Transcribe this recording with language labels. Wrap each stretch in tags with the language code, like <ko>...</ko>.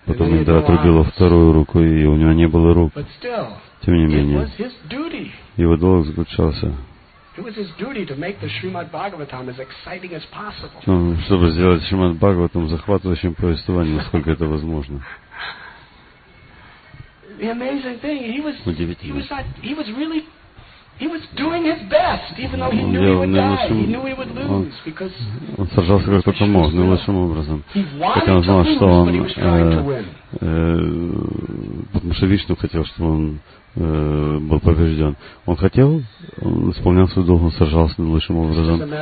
<ru>Потом Индра отрубил его вторую руку, и у него не было рук. Тем не менее, его долг заключался.</ru> <en>It was his duty to make the Srimad Bhagavatam as exciting as possible.</en> <ru>Ну, чтобы сделать Шримад Бхагаватам захватывающим повествованием, насколько это возможно.</ru> <en>The amazing thing, he was doing his best, even though he knew he would die. He knew he would lose because</en> <ru>он сражался как только мог, но лучшим образом.</ru> <en>He wanted to lose, but he was trying to win.</en> <ru>Потому что Вишну хотел, чтобы он был побежден. Он хотел, он исполнял свой долг, он сражался наилучшим образом.</ru>